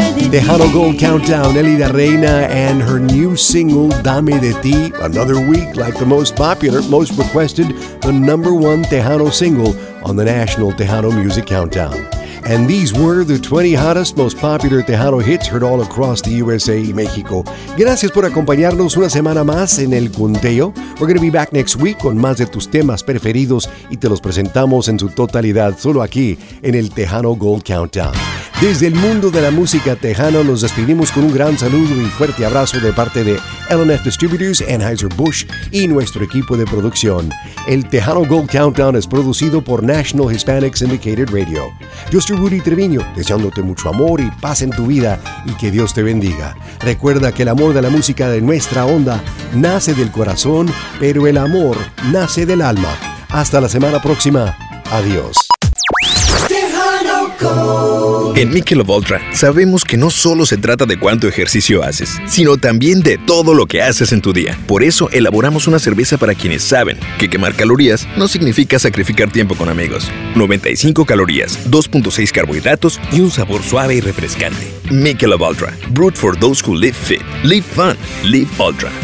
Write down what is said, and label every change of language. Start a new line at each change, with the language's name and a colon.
English: The Hano Gold Countdown, Elida Reina and her new single, Dame de Ti, another week like the most popular, most requested, the number one Tejano single on the National Tejano Music Countdown. And these were the 20 hottest, most popular Tejano hits heard all across the USA y México.
Spanish: Gracias por acompañarnos una semana más en El Conteo.
English: We're going to be back next week
Spanish: con más de tus temas preferidos y te los presentamos en su totalidad solo aquí en el Tejano Gold Countdown. Desde el mundo de la música tejana, nos despedimos con un gran saludo y fuerte abrazo de parte de L&F Distributors, Anheuser-Busch y nuestro equipo de producción. El Tejano Gold Countdown es producido por National Hispanic Syndicated Radio. Yo soy Rudy Treviño, deseándote mucho amor y paz en tu vida y que Dios te bendiga. Recuerda que el amor de la música de nuestra onda nace del corazón, pero el amor nace del alma. Hasta la semana próxima. Adiós. En Michelob Ultra sabemos que no solo se trata de cuánto ejercicio haces, sino también de todo lo que haces en tu día. Por eso elaboramos una cerveza para quienes saben que quemar calorías no significa sacrificar tiempo con amigos. 95 calorías, 2.6 carbohidratos y un sabor suave y refrescante.
English: Michelob Ultra, brewed for those who live fit, live fun, live ultra.